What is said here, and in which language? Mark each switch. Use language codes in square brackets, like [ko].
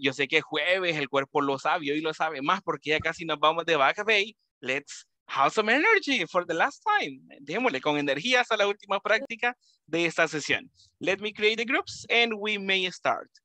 [es] Yo sé que es jueves, el cuerpo lo sabe, hoy lo sabe más porque ya casi nos vamos de Back Bay. [en] Let's have some energy for the last time. [es] Démosle con energía hasta la última práctica de esta sesión. [en] Let me create the groups and we may start.